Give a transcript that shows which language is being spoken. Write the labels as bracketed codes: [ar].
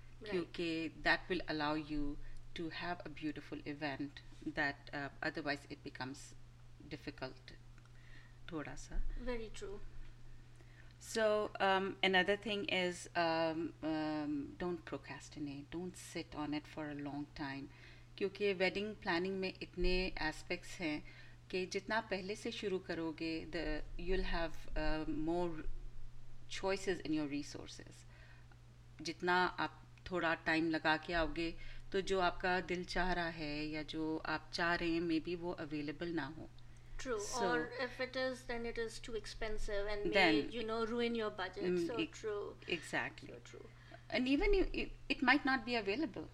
[hi] Kyunki [en] that will allow you to have a beautiful event that otherwise it becomes difficult. [hi] Thoda sa. [en] Very true. So another thing is don't procrastinate. Don't sit on it for a long time. [hi] क्योंकि wedding planning में इतने aspects हैं कि जितना पहले से शुरू करोगे, [en] The you will have more choices in your resources. [hi] जितना आप थोड़ा टाइम लगा के आओगे, तो जो आपका दिल चाह रहा है या जो आप चाह रहे हैं, [en] maybe [hi] वो अवेलेबल ना हो। [en] True. Or if it is, then it is too expensive and may, then, you know, ruin your budget. So true. Exactly. So true. And even you, it might not be available.